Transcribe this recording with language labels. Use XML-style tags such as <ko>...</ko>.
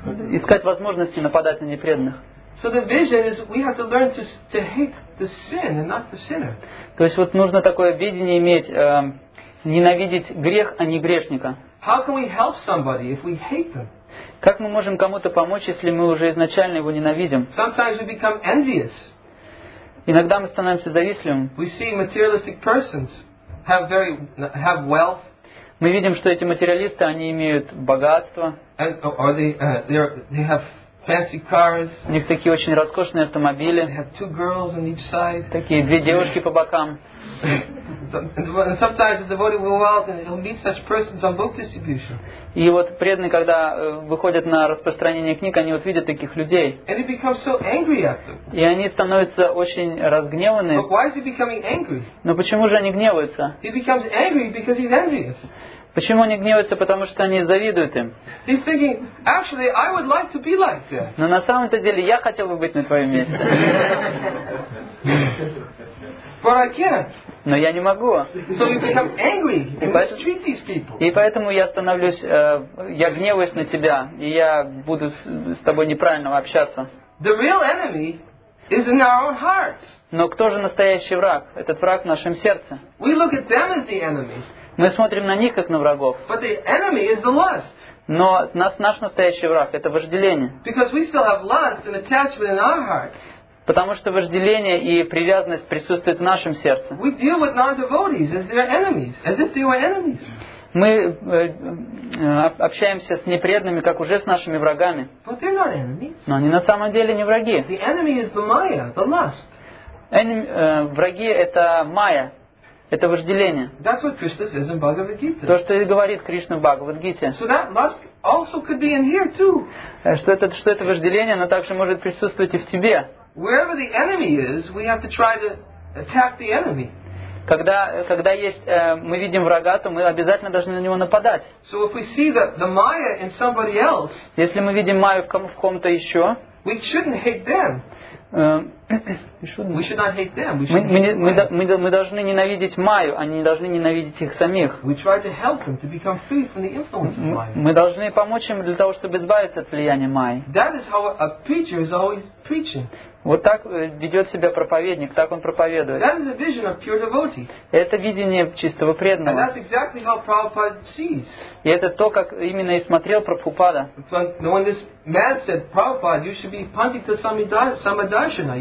<ru>искать возможности нападать на непреданных.</ru> <en>So the vision is we have to learn to hate the sin and not the sinner.</en> <ru>То есть вот нужно такое видение иметь, ненавидеть грех, а не грешника.</ru> <en>How can we help somebody if we hate them?</en> <ru>Как мы можем кому-то помочь, если мы уже изначально его ненавидим?</ru> <en>Sometimes we become envious.</en> <ru>Иногда мы становимся завистливым.</ru> <en>We see materialistic persons have wealth.</en> <ru>Мы видим, что эти материалисты, они имеют богатство.</ru> <en>And, or they have fancy cars.</en> <ru>У них такие очень роскошные автомобили.</ru> <en>They have two girls on each side.</en> <ru>Такие две девушки по бокам.</ru> <en>And sometimes the devotee will go out and he'll meet such persons on book distribution.</en> <ru>И вот преданные, когда выходят на распространение книг, они вот видят таких людей.</ru> <en>And he becomes so angry at them.</en> <ru>И они становятся очень разгневаны.</ru> <en>But why is he becoming angry?</en> <ru>Но почему же они гневаются?</ru> <en>He becomes angry because he's envious.</en> <ru>Почему они гневаются? Потому что они завидуют им.</ru> <en>He's thinking, actually, I would like to be like that.</en> <ru>Но на самом-то деле я хотел бы быть на твоем месте.</ru> <en>But I can't.</en> <ru>Но я не могу.</ru> <en>So you become angry and mistreat these people.</en> <ru>И поэтому я становлюсь, я гневаюсь на тебя, и я буду с тобой неправильно общаться.</ru> <en>The real enemy is in our own hearts.</en> <ru>Но кто же настоящий враг? Этот враг в нашем сердце.</ru> <en>We look at them as the enemy.</en> <ru>Мы смотрим на них, как на врагов.</ru> <en>But the enemy is the lust.</en> <ru>Но наш настоящий враг – это вожделение.</ru> <en>Because we still have lust and attachment in our heart.</en> <ru>Потому что вожделение и привязанность присутствуют в нашем сердце.</ru> <en>We deal with non-devotees as their enemies, as if they were enemies.</en> <ru>Мы общаемся с непреданными, как уже с нашими врагами.</ru> <en>But they're not enemies.</en> <ru>Но они на самом деле не враги.</ru> <en>The enemy is the maya, the lust.</en> <ru>Враги – это майя. Это вожделение.</ru> <en>That's what Krishna says in Bhagavad Gita.</en> <ru>То, что и говорит Кришна в Бхагавад Гите.</ru> <en>So that lust also could be in here too.</en> <ru>Что это вожделение, оно также может присутствовать и в тебе.</ru> <en>Wherever the enemy is, we have to try to attack the enemy.</en> <ru>Когда есть, мы видим врага, то мы обязательно должны на него нападать.</ru> <en>So if we see the Maya in somebody else,</en> <ru>если мы видим Майю в ком-то еще,</ru> <en>we shouldn't hate them. We should not hate them.</en> <ru>Мы должны ненавидеть Майю, а не должны ненавидеть их самих.</ru> <en>We try to help them to become free from the influence of Maya.</en> <ru>Мы должны помочь им для того, чтобы избавиться от влияния Майи.</ru> <en>That is how a preacher is always preaching.</en> <ru>Вот так ведет себя проповедник, так он проповедует.</ru> <en>That is the vision of pure devotee.</en> <ru>Это видение чистого преданного.</ru> <en>And that's exactly how Prabhupada sees.</en> <ru>И это то, как именно и смотрел Прабхупада.</ru> <en>Like when this man said, Prabhupada, you should be Pandita Samadarshana.</en>